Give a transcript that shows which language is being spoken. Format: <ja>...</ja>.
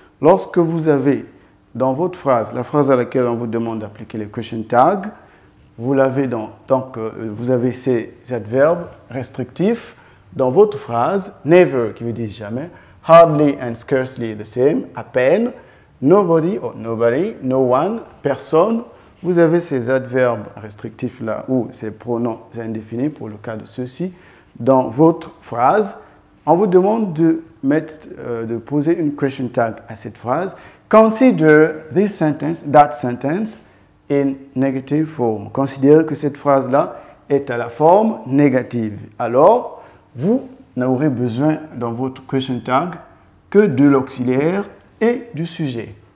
<fr>Lorsque vous avez dans votre phrase, la phrase à laquelle on vous demande d'appliquer le question tag, vous l'avez dans, tant que vous avez ces adverbes restrictifs, dans votre phrase, never, qui veut dire jamais,</fr> <en>hardly and scarcely the same,</en> <fr>à peine,</fr> <en>nobody, no one,</en> <fr>personne, vous avez ces adverbes restrictifs-là ou ces pronoms indéfinis pour le cas de ceux-ci, dans votre phrase, on vous demande de poser une question tag à cette phrase.</fr> <en>Consider this sentence, that sentence, in negative form.</en> <fr>Considérez que cette phrase-là est à la forme négative. Alors, vous n'aurez besoin dans votre question tag que de l'auxiliaire et du sujet.</fr>